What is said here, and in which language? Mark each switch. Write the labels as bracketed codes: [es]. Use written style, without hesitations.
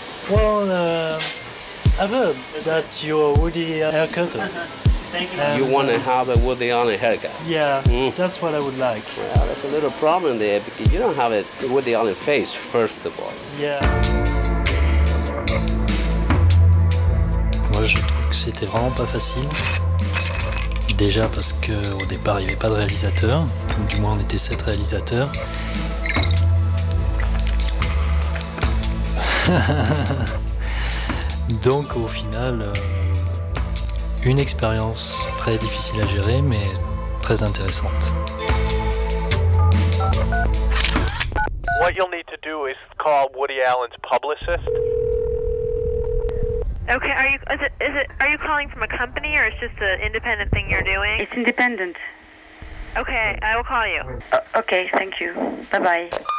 [en] Well, I've heard that your Woody haircut. Thank you. You want to have a Woody Allen haircut? Yeah, That's what I would like. Well, that's a little problem there because you don't have a Woody Allen face, first of all. Yeah. [fr] Moi, je trouve que c'était vraiment pas facile. Déjà parce que au départ, il n'y avait pas de réalisateur. Donc, du moins, on était 7 réalisateurs. Donc au final, une expérience très difficile à gérer, mais très intéressante. [en] What you'll need to do is call Woody Allen's publicist. Okay, are you calling from a company or it's just an independent thing you're doing? It's independent. Okay, I will call you. Okay, thank you. Bye bye.